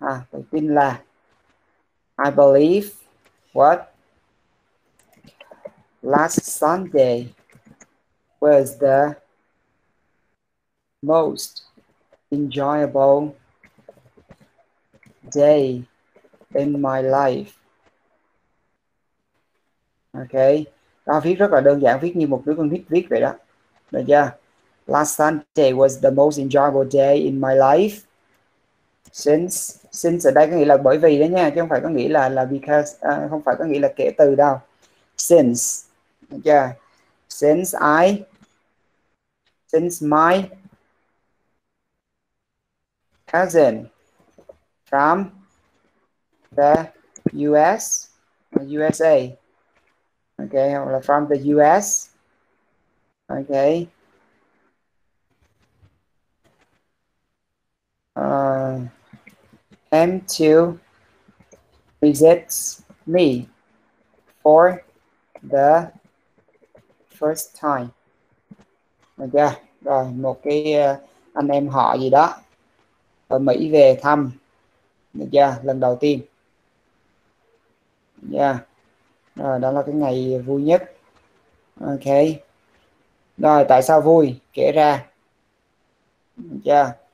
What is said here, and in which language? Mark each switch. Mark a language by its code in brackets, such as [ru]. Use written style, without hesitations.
[vi] Tôi tin là [en] I believe last Sunday was the most enjoyable day in my life. Okay, [vi] Đó, viết rất là đơn giản, viết như một đứa con nít viết vậy đó. Được chưa? [en] Last Sunday was the most enjoyable day in my life. [vi] Since ở đây có nghĩa là bởi vì đó nha, chứ không phải có nghĩa là because, không phải có nghĩa là kể từ đâu. Since, được chưa? [en] Since my cousin from the US, USA. Okay, [vi] hoặc là [en] from the US. Okay. Came to visit me for the first time. Okay. [vi] Rồi, một cái anh em họ gì đó ở Mỹ về thăm. Được chưa? Lần đầu tiên. Rồi, đó là cái ngày vui nhất. Ok. Rồi, tại sao vui? Kể ra. Được chưa?